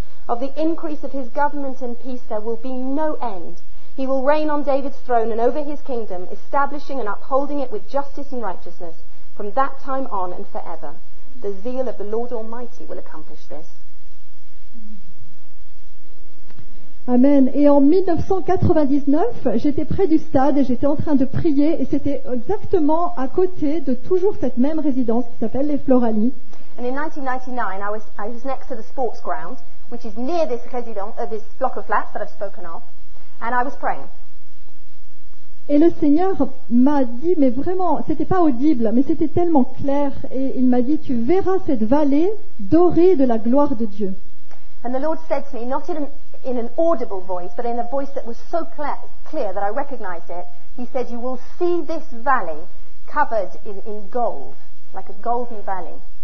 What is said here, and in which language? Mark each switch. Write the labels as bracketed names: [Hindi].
[English] Of the increase of his government and peace there will be no end. He will reign on David's throne and over his kingdom, establishing and upholding it with justice and righteousness from that time on and forever. The zeal of the Lord Almighty will accomplish this. Amen. [French] Et en 1999, j'étais près du stade et j'étais en train de prier et c'était exactement à côté de toujours cette même résidence qui s'appelle les Floralies. [English] And in 1999, I was next to the sports ground, which is near this résidence, this block of flats that I've spoken of, and I was praying. [French] Et le Seigneur m'a dit, mais vraiment, c'était pas audible, mais c'était tellement clair, et il m'a dit, tu verras cette vallée dorée de la gloire de Dieu. [English] And the Lord said to me, not in an audible voice, but in a voice that was so clear that I recognized it, he said, you will see this valley covered in gold, like a golden valley.